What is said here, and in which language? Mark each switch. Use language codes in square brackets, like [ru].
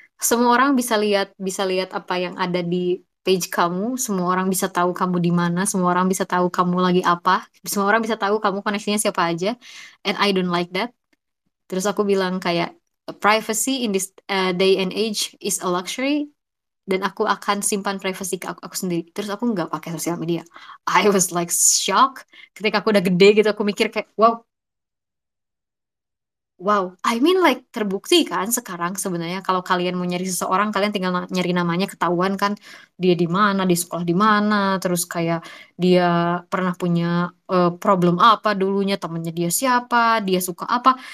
[id] Semua orang bisa lihat apa yang ada di page kamu. Semua orang bisa tahu kamu di mana. Semua orang bisa tahu kamu lagi apa. Semua orang bisa tahu kamu koneksinya siapa aja. [en] And I don't like that. [id] Terus aku bilang kayak [en] privacy in this day and age is a luxury. [id] Dan aku akan simpan privacy ke aku sendiri. Terus aku nggak pakai sosial media. [en] I was like shocked. [id] Ketika aku udah gede gitu, aku mikir kayak wow. Wow, [en] I mean like [id] terbukti kan sekarang sebenarnya kalau kalian mau nyari seseorang kalian tinggal nyari namanya ketahuan kan dia di mana, di sekolah di mana, terus kayak dia pernah punya problem apa dulunya, temennya dia siapa, dia suka apa.